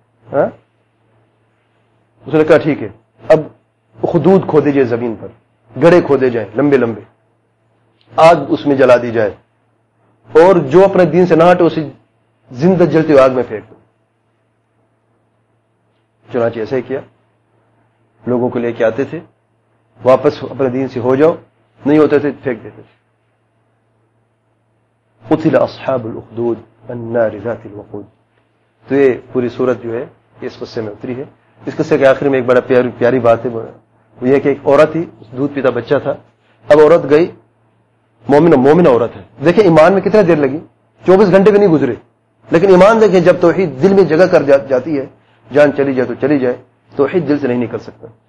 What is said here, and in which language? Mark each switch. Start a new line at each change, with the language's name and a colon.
Urdu: اس نے کہا ٹھیک ہے, اب حدود کھودے جائے زمین پر, گڑے کھودے جائیں لمبے لمبے, آگ اس میں جلا دی جائے, اور جو اپنے دین سے نہ ہٹے اسے زندہ جلتی ہوئی آگ میں پھینک دو. چنانچہ ایسا ہی کیا, لوگوں کو لے کے آتے تھے واپس اپنے دین سے, ہو جاؤ نہیں ہوتے تھے پھینک دیتے تھے.
Arabic: قتل اصحاب الاخدود النار ذات الوقود.
Urdu: تو یہ پوری سورت جو ہے اس قصے میں اتری ہے. اس قصے کے آخر میں ایک بڑا پیاری بات ہے, وہ یہ کہ ایک عورت تھی, دودھ پیتا بچہ تھا. اب عورت گئی, مومن عورت ہے, دیکھیں ایمان میں کتنا دیر لگی, 24 گھنٹے بھی نہیں گزرے, لیکن ایمان دیکھیں جب توحید دل میں جگہ کر جاتی ہے, جان چلی جائے تو چلی جائے, توحید دل سے نہیں نکل سکتا.